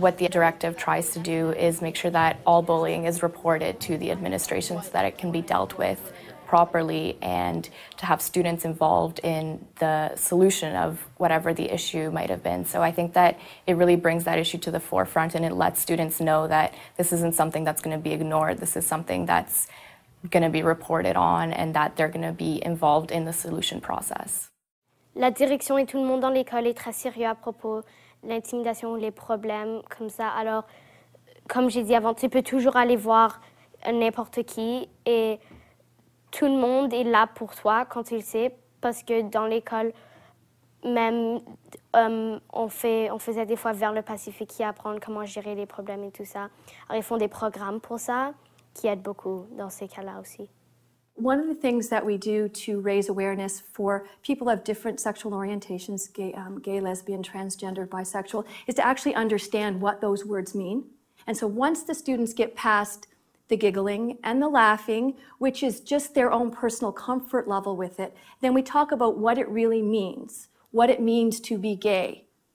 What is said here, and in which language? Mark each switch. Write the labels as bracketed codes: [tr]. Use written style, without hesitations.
[en] What the directive tries to do is make sure that all bullying is reported to the administration so that it can be dealt with properly and to have students involved in the solution of whatever the issue might have been. So I think that it really brings that issue to the forefront and it lets students know that this isn't something that's going to be ignored, this is something that's going to be reported on and that they're going to be involved in the solution process. [fr] La direction et tout le monde dans l'école est très sérieux à propos de l'intimidation ou les problèmes comme ça. Alors, comme j'ai dit avant, tu peux toujours aller voir n'importe qui et tout le monde est là pour toi quand il sait. Parce que dans l'école, même, on faisait des fois vers le Pacifique qui apprendre comment gérer les problèmes et tout ça. Alors, ils font des programmes pour ça qui aident beaucoup dans ces cas-là aussi. [en] One of the things that we do to raise awareness for people of different sexual orientations, gay, lesbian, transgender, bisexual, is to actually understand what those words mean. And so once the students get past the giggling and the laughing, which is just their own personal comfort level with it, then we talk about what it really means, what it means to be gay.